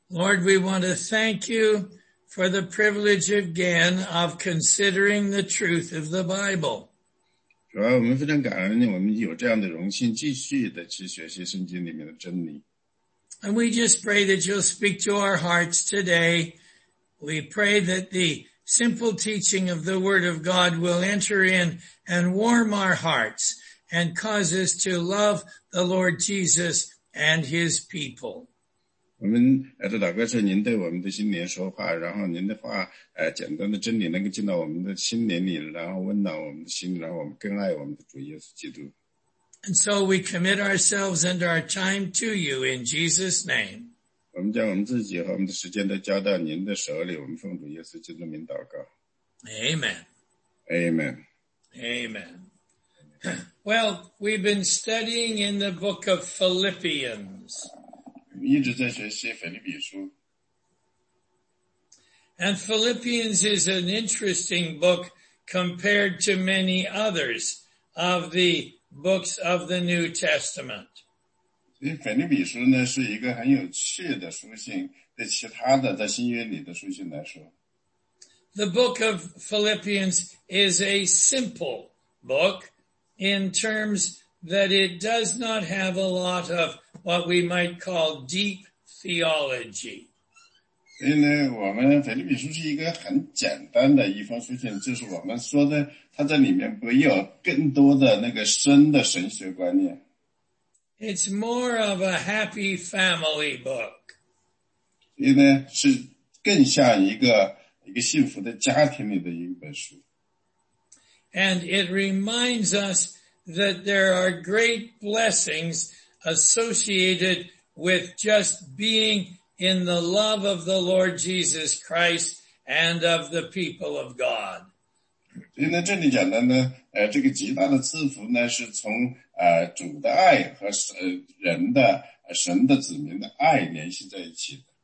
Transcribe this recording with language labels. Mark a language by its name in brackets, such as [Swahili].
[English] Lord, we want to thank you for the privilege again of considering the truth of the Bible. [Chinese] 主要我们非常感恩我们有这样的荣幸继续的去学习圣经里面的真理。 [English] And we just pray that you'll speak to our hearts today. We pray that the simple teaching of the Word of God will enter in and warm our hearts and cause us to love the Lord Jesus and His people. [Chinese] 我们来到祷告，您对我们的心灵说话，然后您的话，简单的真理能够进到我们的心灵里，然后温暖我们的心，然后我们更爱我们的主耶稣基督。 [English] And so we commit ourselves and our time to you in Jesus' name. [Chinese] 我们将我们自己和我们的时间都交到您的手里，我们奉主耶稣基督名祷告。 [English] Amen. Amen. Amen. Well, we've been studying in the book of Philippians. [Chinese] 一直在学习腓立比书。 [English] And Philippians is an interesting book compared to many others of the books of the New Testament. [Chinese] 所以腓立比书呢是一个很有趣的书信，对其他的在新约里的书信来说。 [English] The book of Philippians is a simple book in terms that it does not have a lot of what we might call deep theology. [Chinese] 所以呢我们腓立比书是一个很简单的一封书信，就是我们说的它在里面不有更多的那个深的神学观念。 [English] It's more of a happy family book. [Chinese] 所以呢是更像一个幸福的家庭里的一本书。 [English] And it reminds us that there are great blessings associated with just being in the love of the Lord Jesus Christ and of the people of God. [Chinese] 所以呢这里讲的呢这个极大的赐福呢是从主的爱和人的神的子民的爱联系在一起的。